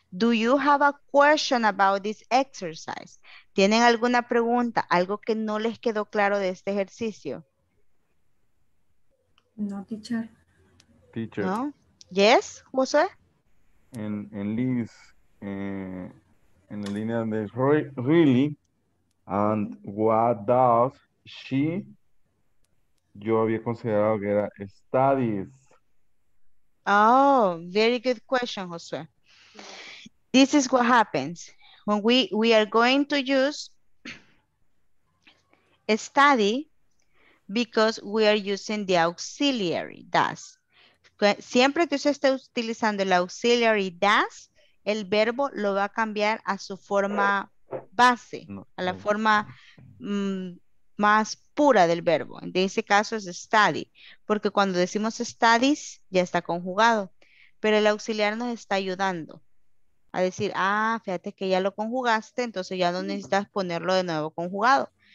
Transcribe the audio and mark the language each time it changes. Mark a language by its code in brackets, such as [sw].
[en] Do you have a question about this exercise? [es] ¿Tienen alguna pregunta? ¿Algo que no les quedó claro de este ejercicio? [en] No, teacher. Teacher. No. Yes, Jose. [es] En Liz, en la línea de [en] really, and what does she, [es] yo había considerado que era studies. [en] Oh, very good question, Jose. This is what happens. When we are going to use study because we are using the auxiliary, does. [es] Siempre que usted esté utilizando el [en] auxiliary [es] does, el verbo lo va a cambiar a su forma base, a la forma más pura del verbo. En ese caso es study, porque cuando decimos studies ya está conjugado, pero el auxiliar nos está ayudando a decir, ah, fíjate que ya lo conjugaste, entonces ya no necesitas ponerlo de nuevo conjugado.